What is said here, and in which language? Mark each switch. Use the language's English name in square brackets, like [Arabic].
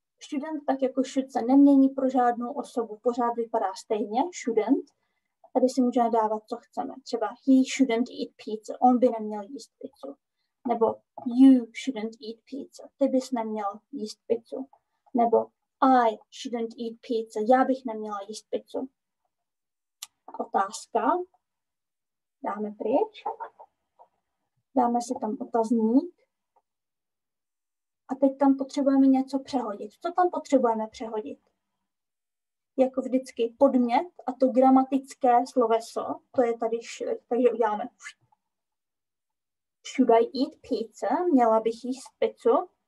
[Czech] Shouldn't tak jako should se nemění pro žádnou osobu. Pořád vypadá stejně, shouldn't. Tady si můžeme dávat, co chceme. Třeba [English] he shouldn't eat pizza. [Czech] On by neměl jíst pizzu. Nebo [English] you shouldn't eat pizza. [Czech] Ty bys neměl jíst pizzu. [English] Nebo I shouldn't eat pizza. [Czech] Já bych neměla jíst pizzu. Otázka. Dáme pryč. Dáme si tam otazník. A teď tam potřebujeme něco přehodit. Co tam potřebujeme přehodit? Jako vždycky podmět a to gramatické sloveso, to je tady should, takže uděláme [English] should I eat pizza, [Czech] měla bych jíst pizzu.